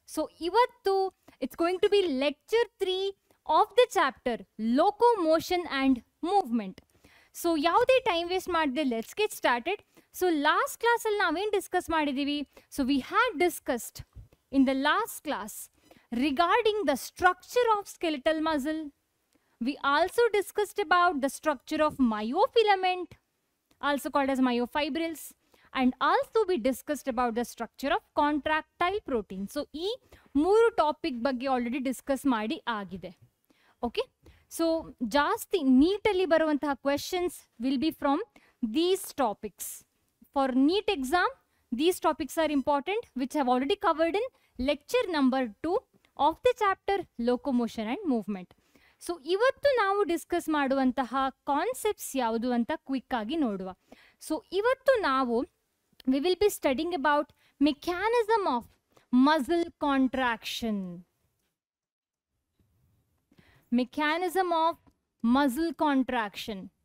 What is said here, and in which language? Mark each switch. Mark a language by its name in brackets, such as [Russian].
[English] So ಇವತ್ತು it's going to be lecture 3 of the chapter locomotion and movement. [Kannada] So ಯಾವುದೇ time waste ಮಾಡದೆ [English] Let's get started. [Kannada] So last ಕ್ಲಾಸಲ್ಲಿ ನಾವೇನು discuss ಮಾಡಿದ್ದೀವಿ? [English] So we had discussed in the last class regarding the structure of skeletal muscle. We also discussed about the structure of myofilament, also called as myofibrils, and also we discussed about the structure of contractile protein. [Kannada] So ee mooru topic bagge already discuss maadi agide. [English] Okay, so [Kannada] jaasti NEET alli baruvanta [English] questions will be from these topics. For NEET exam these topics are important, which I've already covered in lecture number 2 of the chapter locomotion and movement. [Kannada] So ಇವತ್ತು ನಾವು discuss ಮಾಡುವಂತಹ concepts ಯಾವುದು ಅಂತ quick ಆಗಿ ನೋಡುವ. So ಇವತ್ತು ನಾವು [English] We will be studying about mechanism of muscle contraction. Mechanism of muscle contraction.